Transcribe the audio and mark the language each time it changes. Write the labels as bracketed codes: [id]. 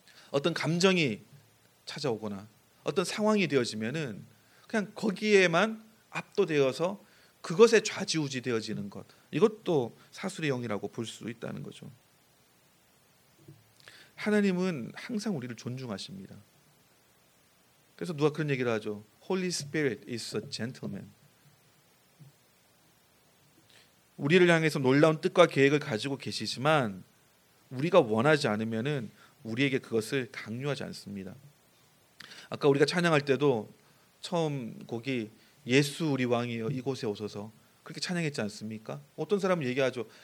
[ko] 어떤 감정이 찾아오거나 어떤 상황이 되어지면은 그냥 거기에만 압도되어서 그것에 좌지우지 되어지는 것 이것도 사술의 영이라고 볼 수 있다는 거죠. 하나님은 항상 우리를 존중하십니다. 그래서 누가 그런 얘기를 하죠. [en] Holy Spirit is a gentleman. [ko] 우리를 향해서 놀라운 뜻과 계획을 가지고 계시지만 우리가 원하지 않으면은 우리에게 그것을 강요하지 않습니다. 아까 우리가 찬양할 때도 처음 곡이 예수 우리 왕이여 이곳에 오소서 그렇게 찬양했지 않습니까? 어떤 사람은 얘기하죠.